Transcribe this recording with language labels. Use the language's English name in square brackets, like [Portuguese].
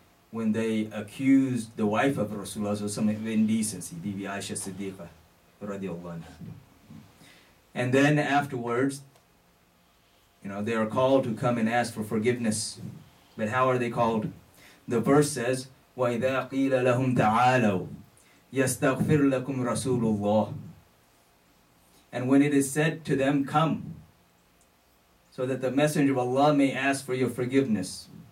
[English] When they accused the wife of Rasulullah of some indecency, Bibi Aisha Siddiqa radiallahu anha. And then afterwards, you know, they are called to come and ask for forgiveness. But how are they called? The verse says, [Arabic] وَإِذَا قِيلَ لَهُمْ تَعَالَوْ يَسْتَغْفِرْ لَكُمْ رَسُولُ اللَّهِ. [English] And when it is said to them, come, so that the Messenger of Allah may ask for your forgiveness.